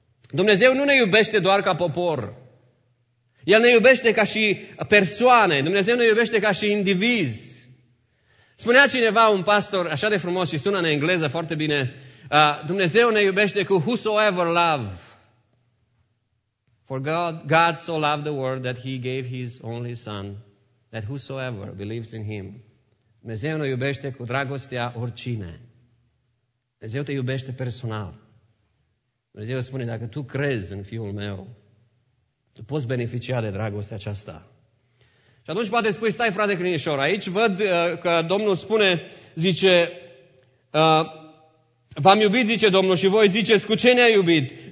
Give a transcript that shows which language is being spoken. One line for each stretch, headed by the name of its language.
Romanian: Dumnezeu nu ne iubește doar ca popor. El ne iubește ca și persoane, Dumnezeu ne iubește ca și indivizi. Spunea cineva, un pastor, așa de frumos și sună în engleză foarte bine, Dumnezeu ne iubește cu
English: whosoever love. For God so loved the world that he gave his only son, that whosoever believes in him.
Romanian: Dumnezeu ne iubește cu dragostea oricine. Dumnezeu te iubește personal. Dumnezeu spune, dacă tu crezi în Fiul meu, tu poți beneficia de dragostea aceasta. Și atunci poate spui, stai frate Crinișor, aici văd că Domnul spune, zice, v-am iubit, zice Domnul, și voi ziceți, cu ce ne-a iubit?